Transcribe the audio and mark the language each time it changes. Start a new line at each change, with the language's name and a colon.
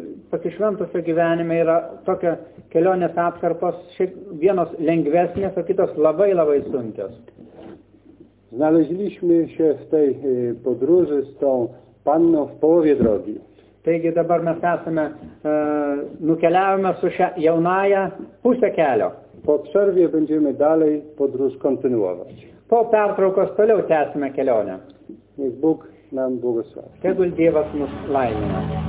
Lithuanian: Pasišventusio gyvenime yra tokia kelionės atkarpos, vienos lengvesnės, o kitos labai, labai sunkios.
Polish: Znaleźliśmy się w tej podróży z tą panną w połowie drogi.
Lithuanian: Taigi dabar mes esame, nukeliavome su šia jaunaja pusę kelio.
Polish: Po przerwie będziemy dalej podróż kontynuować.
Lithuanian: Po pertraukos toliau tęsime kelionę.
Polish: Niech Bóg nam błogosławi.
Lithuanian: Tegul Dievas mus laimina.